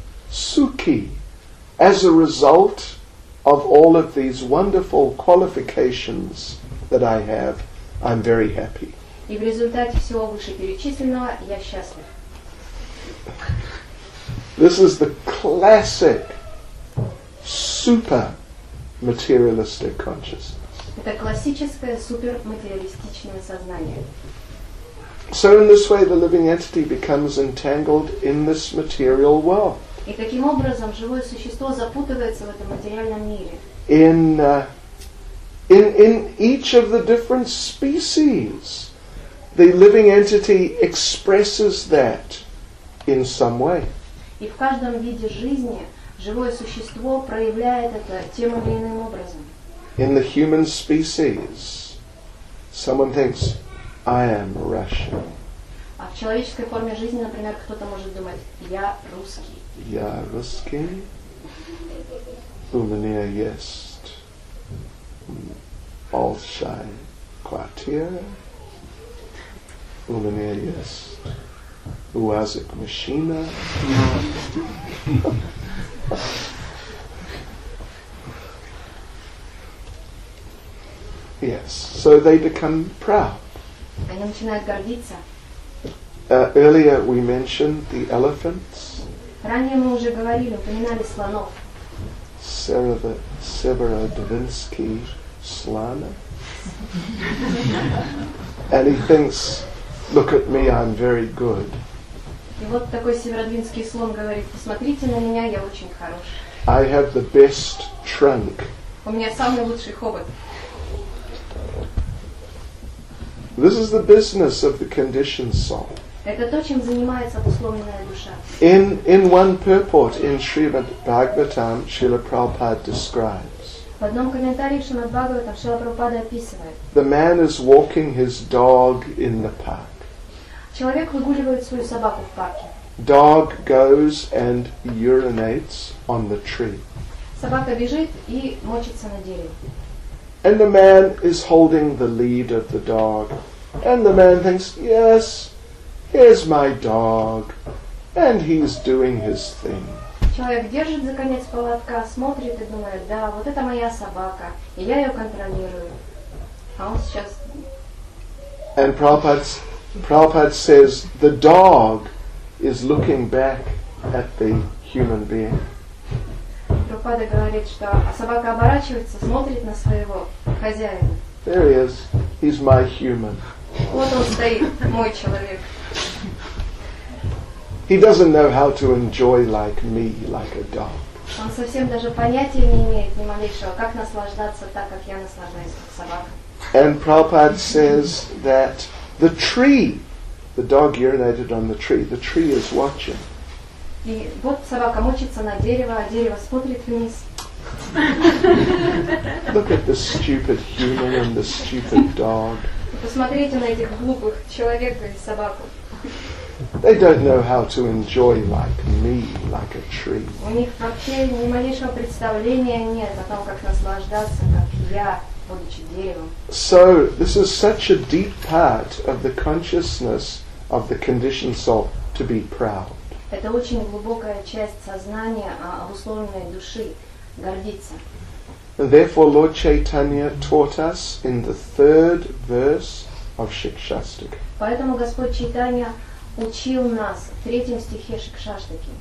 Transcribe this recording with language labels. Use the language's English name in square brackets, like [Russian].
[English] Suki, as a result of all of these wonderful qualifications that I have, I'm very happy. [Russian] И в результате всего вышеперечисленного я счастлив. [English] This is the classic super materialistic consciousness. [Russian] Это классическое суперматериалистичное сознание. [English] So in this way the living entity becomes entangled in this material world. [Russian] И таким образом живое существо запутывается в этом материальном мире. [English] In each of the different species, the living entity expresses that in some way. [Russian] И в каждом виде жизни живое существо проявляет это тем или иным образом. [English] In the human species, someone thinks, I am Russian. [Russian] А в человеческой форме жизни, например, кто-то может думать, я русский. Я русский. У меня есть большая квартира. У меня есть УАЗик машина. [English] Yes, so they become proud. [Russian] Они начинают гордиться. [English] Earlier we mentioned the elephants. [Russian] Ранее мы уже говорили, упоминали слонов. Severodvinsky слона. [English] And he thinks, look at me, I'm very good. [Russian] И вот такой северодвинский слон говорит, посмотрите на меня, я очень хорош. [English] I have the best trunk. [Russian] У меня самый лучший хобот. [English] This is the business of the conditioned soul. [Russian] Это то, чем занимается обусловленная душа. [English] In one purport in Srimad Bhagavatam, Srila Prabhupada describes. [Russian] В одном комментарии Шримад Бхагаватам Шрила Прабхупада описывает. [English] The man is walking his dog in the park. [Russian] Человек выгуливает свою собаку в парке. [English] Dog goes and urinates on the tree. [Russian] Собака бежит и мочится на дереве. [English] And the man is holding the lead of the dog. And the man thinks, yes, here's my dog. And he's doing his thing. [Russian] Человек держит за конец поводка, смотрит и думает, да, вот это моя собака, и я ее контролирую. А он сейчас... [English] And Prabhupada says, the dog is looking back at the human being. [Russian] Prabhupada говорит, что собака оборачивается, смотрит на своего хозяина. [English] There he is. He's my human. [Russian] Вот он стоит, мой человек. [English] He doesn't know how to enjoy like me, like a dog. [Russian] Он совсем даже понятия не имеет ни малейшего, как наслаждаться так, как я наслаждаюсь, как собака. [English] And Prabhupada says that the tree, the dog urinated on the tree is watching. [Russian] И вот собака мочится на дерево, а дерево смотрит вниз. [English] Look at the stupid human and the stupid dog. [Russian] Посмотрите на этих глупых человека и собаку. [English] They don't know how to enjoy like me, like a tree. [Russian] У них вообще ни малейшего представления нет о том, как наслаждаться, как я. [English] So this is such a deep part of the consciousness of the conditioned soul to be proud. [Russian] Это очень глубокая часть сознания обусловленной души гордиться. [English] And therefore Lord Chaitanya taught us in the third verse of Шикшастика. [Russian] Поэтому Господь Чайтанья учил нас в третьем стихе Шикшастики.